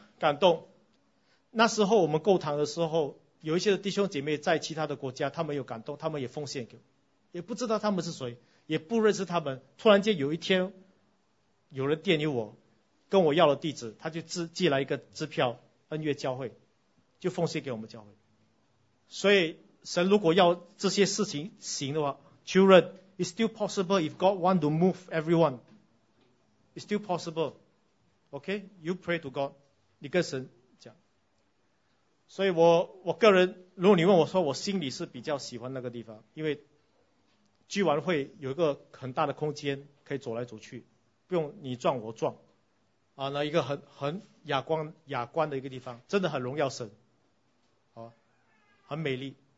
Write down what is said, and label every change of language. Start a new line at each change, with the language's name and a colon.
Chinese: 感动，那时候我们购堂的时候，有一些的弟兄姐妹在其他的国家，他们有感动，他们也奉献给我，也不知道他们是谁，也不认识他们，突然间有一天有人电邮我，跟我要了地址，他就寄来一个支票，恩月教会就奉献给我们教会。所以神如果要这些事情行的话，
English: Children, it's still possible if God want to move everyone, it's still possible. Okay, you pray to God,
Chinese: 你跟神讲。所以我个人，如果你问我说，我心里是比较喜欢那个地方，因为聚完会有一个很大的空间可以走来走去，不用你撞我撞啊，那一个很雅观的一个地方，真的很荣耀神，好，很美丽。